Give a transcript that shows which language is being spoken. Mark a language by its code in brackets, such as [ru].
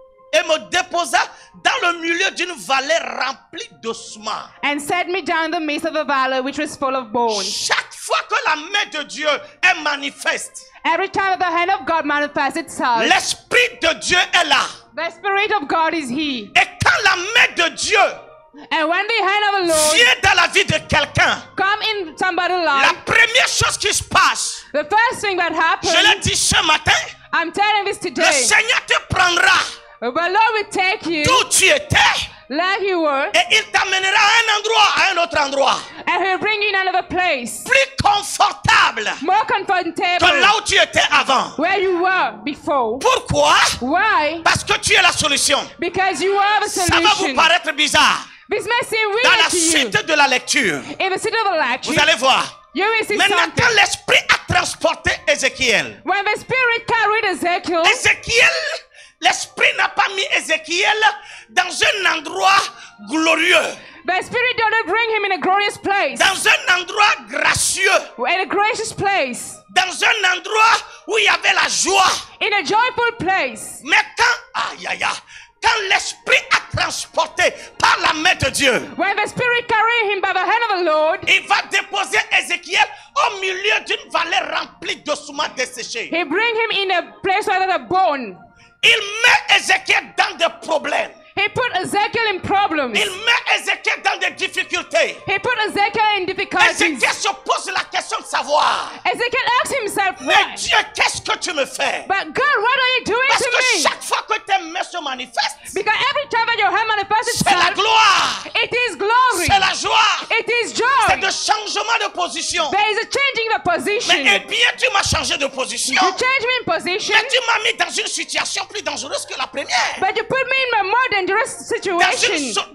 [fr] Et me déposa dans le milieu d'une vallée remplie d'ossements. [en] And set me down in the midst of a valley which was full of bones. [fr] Chaque fois que la main de Dieu est manifeste. [en] Every time the hand of God manifests itself. [fr] L'esprit de Dieu est là. [en] The spirit of God is he. [fr] Et quand la main de Dieu [en] and when the hand of the Lord [fr] vient dans la vie de quelqu'un, [en] come in somebody's life, [fr] la première chose qui se passe, [en] the first thing that happens, [fr] je l'ai dit ce matin, [en] I'm telling this today, [fr] le Seigneur te prendra [en] the Lord will take you [fr] d'où tu étais [en] like you were, [fr] et il t'amènera à un endroit, à un autre endroit, [en] and he'll bring you in another place, [fr] plus confortable, [en] more comfortable, [fr] que là où tu étais avant, [en] where you were before. [fr] Pourquoi? [en] Why? [fr] Parce que tu es la solution. [en] Because you are the solution. [fr] Ça va vous paraître bizarre. [en] This may seem weird [fr] dans la suite de la lecture. [en] In the suite of the lecture, [fr] vous allez voir. [en] You will see [fr] maintenant, [en] something. [fr] Quand l'esprit a transporté Ézéchiel, [en] when the spirit carried Ezekiel, [fr] Ézéchiel, l'esprit n'a pas mis Ézéchiel dans un endroit glorieux. [en] The spirit did not bring him in a glorious place. [fr] Dans un endroit gracieux. [en] In a gracious place. [fr] Dans un endroit où il y avait la joie. [en] In a joyful place. [fr] Mais quand, quand l'esprit a transporté par la main de Dieu. [en] When the spirit carried him by the hand of the Lord. [fr] Il va déposer Ézéchiel au milieu d'une vallée remplie d'ossements desséchés. [en] He bring him in a place where there are bones. [fr] Il met Ézéchiel dans des problèmes. [en] He put Ezekiel in problems. [fr] Il met Ezekiel dans des difficultés. [en] He put Ezekiel in difficulties. [fr] Ezekiel se pose la question de savoir. [en] Ezekiel asked himself, [fr] mais Dieu, qu'est-ce que tu me fais? [en] But God, what are you doing [fr] parce [en] to me? [fr] Parce que chaque fois que tes mains se manifestent, [en] because every time that your hand manifests itself, [fr] c'est la gloire. [en] It is glory. [fr] C'est la joie. [en] It is joy. [fr] C'est le changement de position. [en] There is a changing the position. [fr] Mais eh bien, tu m'as changé de position. [en] You changed me in position. [fr] Mais tu m'as mis dans une situation plus dangereuse que la première. [en] But you put me in a more dangerous situation.